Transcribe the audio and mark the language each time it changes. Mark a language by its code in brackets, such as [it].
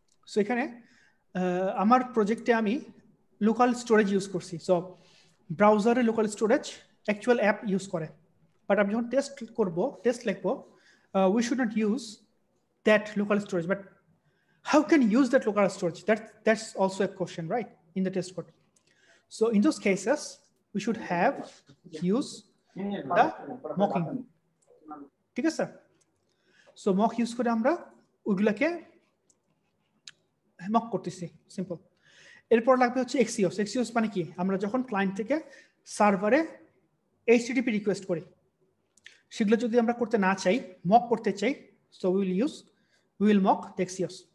[bn] So এখানে আমার প্রজেক্টে আমি লোকাল স্টোরেজ ইউজ করছি. সো ব্রাউজারে local storage actual app use করে, বাট আমি যখন টেস্ট করবো, টেস্ট লিখবো, [en] We should not use that local storage. But how can use that local storage, that's also a question right in the test code. So in those cases, we should have use the mocking. [bn] ঠিক আছে, so mock use করে আমরা ওইগুলোকে mock করতেছি, simple. এরপর লাগবে হচ্ছে Axios. Axios মানে কি, আমরা যখন ক্লায়েন্ট থেকে সার্ভারে HTTP রিকোয়েস্ট করি, সেগুলো যদি আমরা করতে না চাই, মক করতে চাই, [en] So will use, will mock Axios.